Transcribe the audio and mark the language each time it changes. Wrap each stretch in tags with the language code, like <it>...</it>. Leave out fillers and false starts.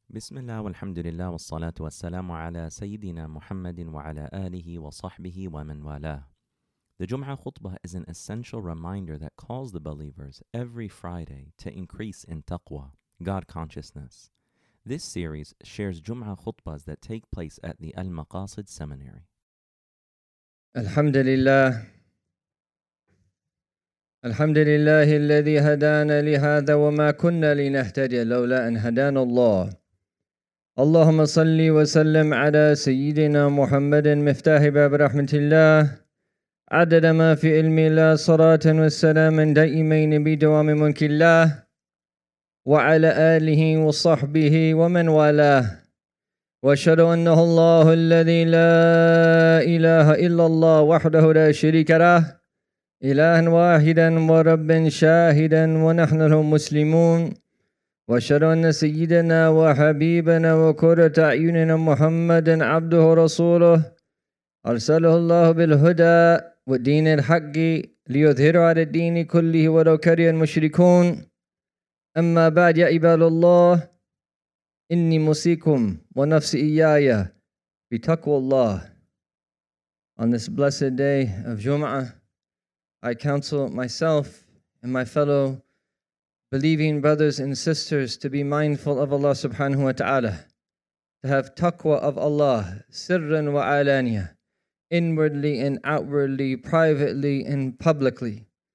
<ar>بسم الله والحمد لله والصلاة والسلام على سيدنا محمد وعلى آله وصحبه ومن والاه.</ar> <en>The Jum'ah khutbah is an essential reminder that calls the believers every Friday to increase in taqwa, God consciousness. This series shares Jum'ah khutbahs that take place at the Al-Maqasid Seminary.</en> <ar>الحمد لله الحمد لله الذي هدانا لهذا وما كنا لنهتدي لولا أن هدانا الله. اللهم صل وسلم على سيدنا محمد مفتاح باب رحمة الله عدد ما في علم الله صلاة والسلام دائمين بدوام ملك الله وعلى آله وصحبه ومن والاه وأشهد أنه الله الذي لا إله إلا الله وحده لا شريك له إلها واحدا ورب شاهدا ونحن له مسلمون وأشهد أن سيدنا وحبيبنا وكرة أعيننا محمدا عبده ورسوله أرسله الله بالهدى والدين الحق ليظهره على الدين كله ولو كره المشركون أما بعد يا عباد الله إني موصيكم ونفسي إياي بتقوى الله.</ar> <en>On this blessed day of Jum'ah, I counsel myself and my fellow believing brothers and sisters to be mindful of Allah subhanahu wa ta'ala, to have taqwa of Allah,</en> <ar>sirran wa alaniya,</ar> <en>inwardly and outwardly, privately and publicly.</en>